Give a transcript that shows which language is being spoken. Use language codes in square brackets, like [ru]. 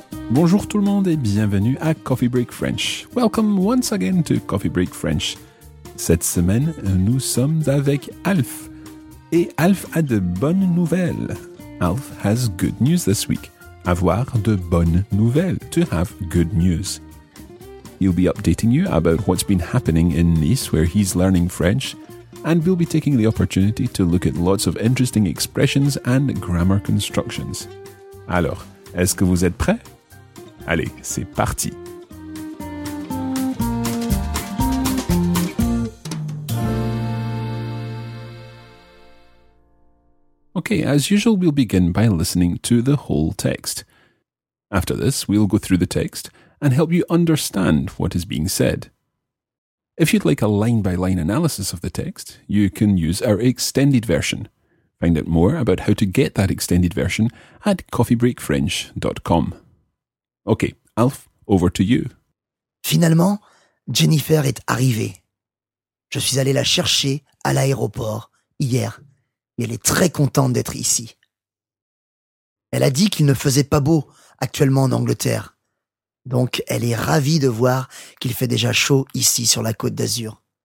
[fr] Bonjour tout le monde et bienvenue à Coffee Break French. [en] Welcome once again to Coffee Break French. [fr] Cette semaine, nous sommes avec Alf. Et Alf a de bonnes nouvelles. [en] Alf has good news this week. [fr] Avoir de bonnes nouvelles, [en] to have good news. He'll be updating you about what's been happening in Nice, where he's learning French, and we'll be taking the opportunity to look at lots of interesting expressions and grammar constructions. [fr] Alors, est-ce que vous êtes prêts? Allez, c'est parti! [en] Okay, as usual, we'll begin by listening to the whole text. After this, we'll go through the text and help you understand what is being said. If you'd like a line-by-line analysis of the text, you can use our extended version. Find out more about how to get that extended version at coffeebreakfrench.com. Okay, Alf, over to you. [fr] Finalement, Jennifer est arrivée. Je suis allé la chercher à l'aéroport hier. Et elle est très contente d'être ici. Elle a dit qu'il ne faisait pas beau actuellement en Angleterre. Donc elle est ravie de voir qu'il fait déjà chaud ici sur la Côte d'Azur.